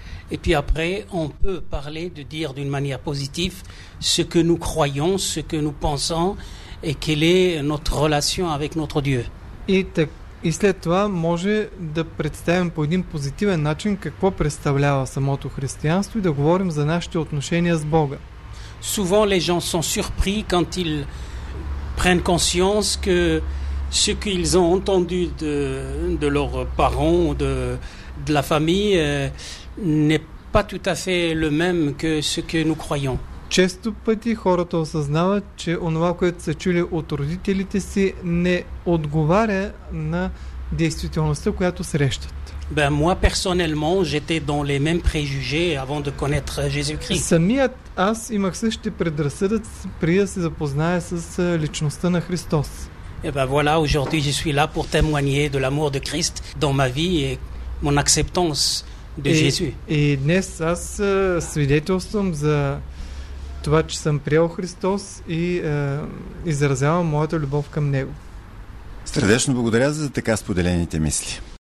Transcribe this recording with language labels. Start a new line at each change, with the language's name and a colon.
French: Et puis après on peut parler de dire d'une manière positive ce que nous croyons, ce que nous pensons et quelle est notre relation avec notre Dieu.
Bulgarian: И след това може да представим по един позитивен начин какво представлява самото християнство и да говорим за нашите отношения с Бога.
French: Souvent les gens sont surpris quand ils prennent conscience que ce qu'ils ont entendu de leurs parents ou de la famille n'est pas tout à fait le même que ce que nous croyons.
Bulgarian: Често пъти хората осъзнават, че онова, което са чули от родителите си, не отговаря на действителността, която срещат.
French: Ben, moi personnellement, j'étais dans les mêmes préjugés avant de connaître Jésus-Christ.
Bulgarian: Самият аз имах същите предразсъдъци преди да се запозная с личността на Христос.
French: Et ben voilà, aujourd'hui je suis là pour témoigner de l'amour de Christ dans ma vie et mon acceptance de Jésus.
Bulgarian: И днес аз свидетелствам за това, че съм приел Христос и изразявам моята любов към Него. Сърдечно благодаря за така споделените мисли.